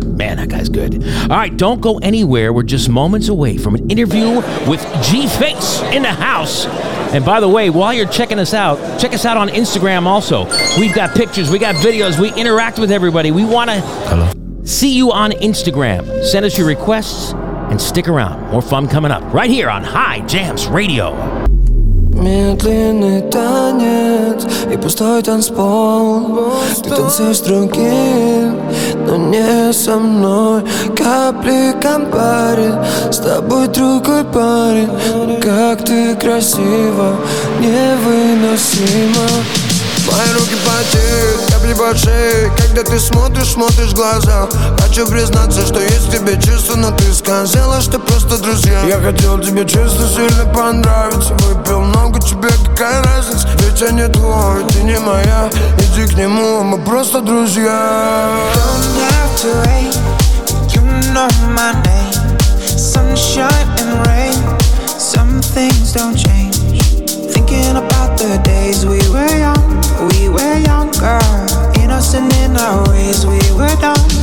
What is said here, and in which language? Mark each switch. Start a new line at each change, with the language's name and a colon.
English: Man, that guy's good. All right, don't go anywhere. We're just moments away from an interview with G-Face in the house. And by the way, while you're checking us out, check us out on Instagram also. We've got pictures. We got videos. We interact with everybody. We want to see you on Instagram. Send us your requests and stick around. More fun coming up right here on High Jams Radio.
Russian: Медленный танец и пустой танцпол Ты танцуешь с другим, но не со мной Капли компари, с тобой другой парень Как ты красива, невыносимо Мои руки потеют, капли большие Когда ты смотришь, смотришь в глаза Хочу признаться, что есть в тебе чувства Но ты сказала, что просто друзья Я хотел тебе чисто сильно понравиться Выпил много тебе, какая разница Ведь я не твой, ты не моя Иди к нему, мы просто друзья
English: Don't have to wait You know my name Sunshine and rain Some things don't change Thinking about the days we were young, girl Innocent in our ways, we were dumb,